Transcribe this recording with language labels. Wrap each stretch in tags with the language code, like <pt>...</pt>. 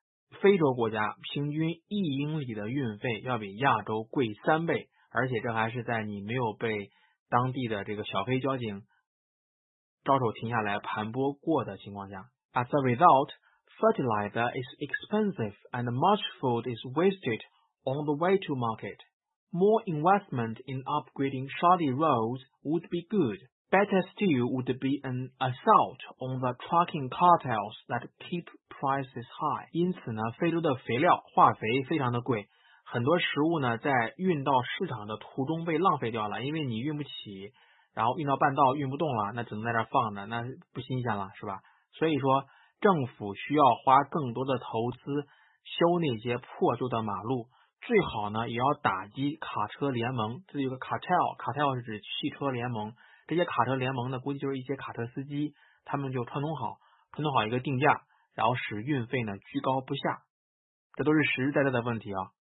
<zh>非洲国家平均一英里的运费要比亚洲贵三倍，而且这还是在你没有被当地的这个小黑交警招手停下来盘剥过的情况下。</zh> <en>As a result, fertilizer is expensive and much food is wasted on the way to market. More investment in upgrading shoddy roads would be good. Better still would be an assault on the trucking cartels that keep prices high.</en> <zh>因此呢，非洲的肥料化肥非常的贵，很多食物呢在运到市场的途中被浪费掉了，因为你运不起，然后运到半道运不动了，那只能在这放着，那不新鲜了，是吧？所以说，政府需要花更多的投资修那些破旧的马路，最好呢也要打击卡车联盟，这有个 cartel 是指汽车联盟，这些卡车联盟呢估计就是一些卡车司机，他们就串通好一个定价，然后使运费呢居高不下，这都是实实在在的问题啊。</zh>